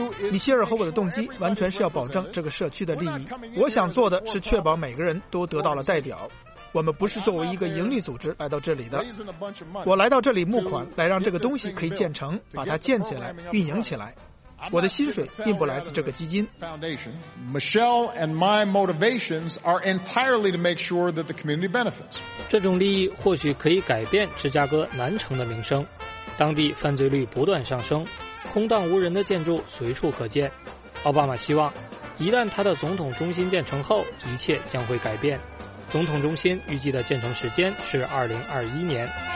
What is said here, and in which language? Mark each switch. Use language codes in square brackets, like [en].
[zh] 米歇尔和我的动机完全是要保证这个社区的利益。我想做的是确保每个人都得到了代表。我们不是作为一个盈利组织来到这里的。我来到这里募款，来让这个东西可以建成，把它建起来，运营起来。我的薪水并不来自这个基金。 [en] Michelle and my motivations are entirely to make sure that the community benefits. [zh] 这种利益或许可以改变芝加哥南城的名声。当地犯罪率不断上升，空荡无人的建筑随处可见。奥巴马希望一旦他的总统中心建成后，一切将会改变。总统中心预计的建成时间是2021年。